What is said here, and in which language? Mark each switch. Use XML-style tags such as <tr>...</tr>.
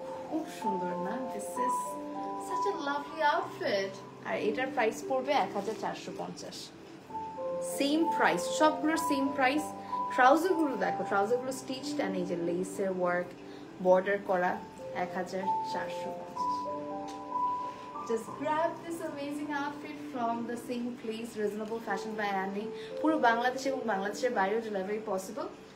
<bn>খুব সুন্দর না?</bn> <en>This is such a lovely outfit.</en> <bn>আর এটার প্রাইস পড়বে 1450। সেম প্রাইস, সবগুলোর সেম প্রাইস। ট্রাউজারগুলো দেখো, ট্রাউজারগুলো স্টিচড অ্যান্ড এই যে লেসের ওয়ার্ক বর্ডার করা, 1450।</bn> <en>Just grab this amazing outfit from the same place, Reasonable Fashion by Annie.</en> <bn>পুরো বাংলাদেশে এবং বাংলাদেশের বাইরেও ডেলিভারি পসিবল।</bn>